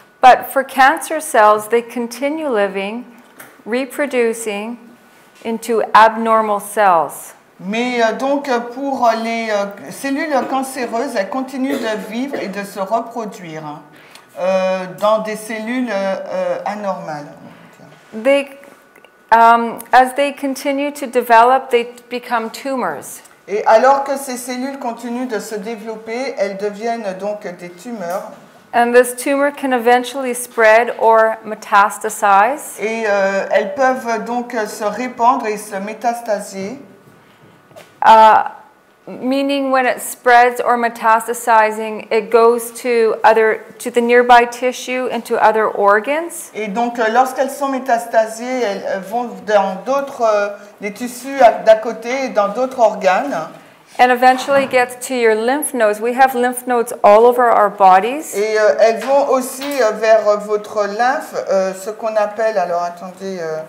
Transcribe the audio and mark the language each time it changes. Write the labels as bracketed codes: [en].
[en] But for cancer cells, they continue living, reproducing into abnormal cells. [fr] Mais donc pour les cellules cancéreuses, elles continuent de vivre et de se reproduire dans des cellules anormales. [en] They, as they continue to develop, they become tumors. [fr] Et alors que ces cellules continuent de se développer, elles deviennent donc des tumeurs. [en] And this tumor can eventually spread or metastasize. [fr] Et elles peuvent donc se répandre et se métastasier. [en] Meaning when it spreads or metastasizing, it goes to other to the nearby tissue and to other organs. [fr] Et donc lorsqu'elles sont métastasées, elles vont dans d'autres les tissus d'à côté et dans d'autres organes. [en] And eventually gets to your lymph nodes. We have lymph nodes all over our bodies. [fr] Et elles vont aussi vers votre lymphe, ce qu'on appelle alors attendez.